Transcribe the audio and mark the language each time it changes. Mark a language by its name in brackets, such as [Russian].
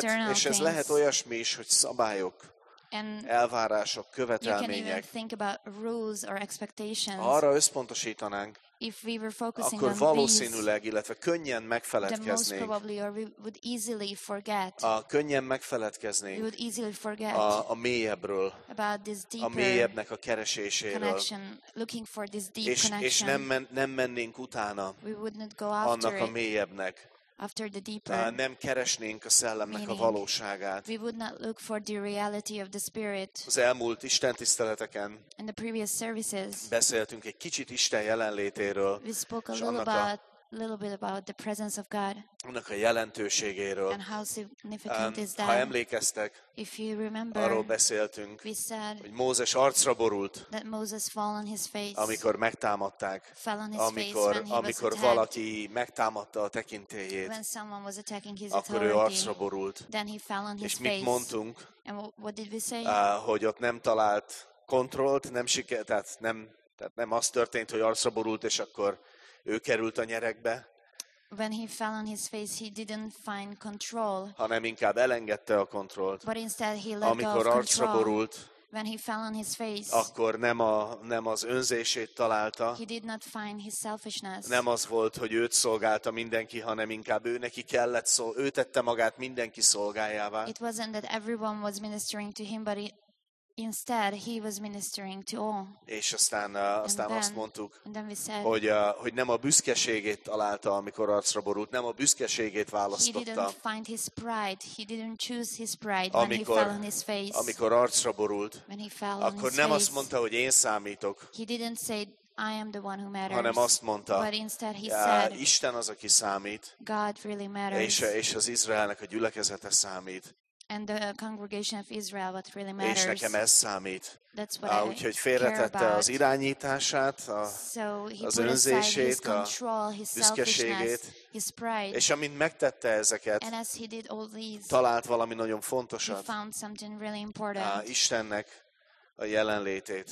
[Hungarian] és ez lehet olyasmi is, hogy szabályok, [English] and [Hungarian] elvárások, követelmények, [English] you can even think about rules or expectations, [Hungarian] arra összpontosítanánk, [English] if we were focusing, [Hungarian] akkor valószínűleg, illetve könnyen megfeledkeznénk, [English] then most probably, or we would easily forget, [Hungarian] könnyen megfeledkeznénk, [English] we would easily forget, [Hungarian] a mélyebbről, [English] about this deeper, [Hungarian] a mélyebbnek a kereséséről, [English] connection, looking for this deep connection, [Hungarian] és nem mennénk utána, [English] we would not go after [Hungarian] annak a mélyebbnek, [English] after the deeper, [Hungarian] nem keresnénk a szellemnek [English] meaning, [Hungarian] a valóságát. [English] We would not look for the reality of the spirit. [Hungarian] Az elmúlt istentiszteleteken [English] in the previous services, [Hungarian] beszéltünk egy kicsit Isten jelenlétéről, [English] we spoke a little about little bit about the presence of God. [Hungarian] Annak a jelentőségéről. [English] And how significant is that? [Hungarian] Ha emlékeztek, [English] if you remember, [Hungarian] arról beszéltünk, [English] we said, [Hungarian] hogy Mózes arcra borult, [English] that Moses fell on his face, [Hungarian] amikor megtámadták, [English] fell on his [Hungarian] amikor, [English] face when he [Hungarian] amikor [English] was attacked, [Hungarian] valaki megtámadta a tekintélyét, [English] when someone was attacking his [Hungarian] akkor ő arcra borult. [English] Then he fell on his [Hungarian] és [English] face. [Hungarian] Mit mondtunk? [English] And what did we say? [Hungarian] Hogy ott nem talált kontrollt, nem sikerült, tehát nem az történt, hogy arcra borult, és akkor ő került a nyerekbe. [English] When he fell on his face, he didn't find control. [Hungarian] Hanem inkább elengedte a kontrollt. [English] But instead he let [Hungarian] amikor [English] go of [Hungarian] arcra [English] control, [Hungarian] borult, [English] when he fell on his face, [Hungarian] akkor nem az önzését találta. [English] He did not find his selfishness. [Hungarian] Nem az volt, hogy őt szolgálta mindenki, hanem inkább ő neki kellett szó, ő tette magát mindenki szolgájává. [English] It wasn't that everyone was ministering to him, but instead he was ministering to all. [Hungarian] És aztán [English] then, [Hungarian] azt mondtuk, hogy nem a büszkeségét találta, amikor arcra borult, nem a büszkeségét választotta. [English] He didn't find his pride. He didn't choose his pride when he fell on his face. [Hungarian] Amikor arcra borult, [English] when he fell [Hungarian] akkor [English] on his [Hungarian] nem [English] face, [Hungarian] azt mondta, hogy én számítok. [English] He didn't say I am the one who matters. [Hungarian] Hanem azt mondta, [English] but instead he said, [Hungarian] Isten az, aki számít. [English] God really matters. [Hungarian] És az Izraelnek a gyülekezete számít. [English] And the congregation of Israel, what really matters. [Hungarian] És nekem ez számít. [English] That's what I [Hungarian] úgyhogy félretette az irányítását, [English] so [Hungarian] az önzését, [English] control, [Hungarian] a büszkeségét. [English] His pride. [Hungarian] És amint megtette ezeket, [English] and as he did all these, [Hungarian] talált valami nagyon fontosat. [English] He found something really important. [Hungarian] Istennek a jelenlétét.